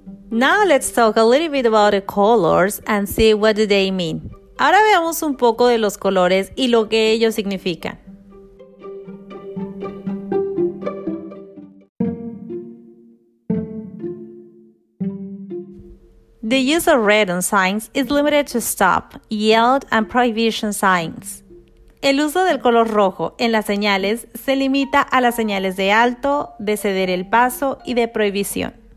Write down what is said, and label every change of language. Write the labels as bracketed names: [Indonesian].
[English] Now let's talk a little bit about the colors and see what do they mean. [Spanish] Ahora veamos un poco de los colores y lo que ellos significan. [English] The use of red on signs is limited to stop, yield, and prohibition signs. [Spanish] El uso del color rojo en las señales se limita a las señales de alto, de ceder el paso y de prohibición.